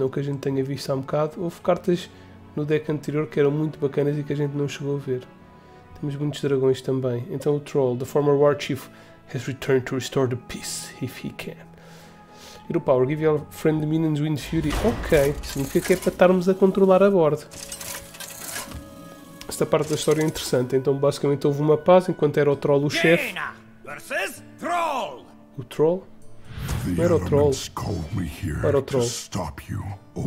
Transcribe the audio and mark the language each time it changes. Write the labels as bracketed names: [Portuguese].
[Portuguese] Não que a gente tenha visto há um bocado. Houve cartas no deck anterior que eram muito bacanas e que a gente não chegou a ver. Temos muitos dragões também. Então o troll. [English] The former war chief has returned to restore the peace, if he can. Hero power. Give your friend the minions wind fury. [Portuguese] Ok, significa que é para estarmos a controlar a bordo. Esta parte da história é interessante, então basicamente houve uma paz enquanto era o Troll o chefe. [English] Versus Troll! [Portuguese] O Troll? Não era o Troll. Era o Troll. [English] Stop you, old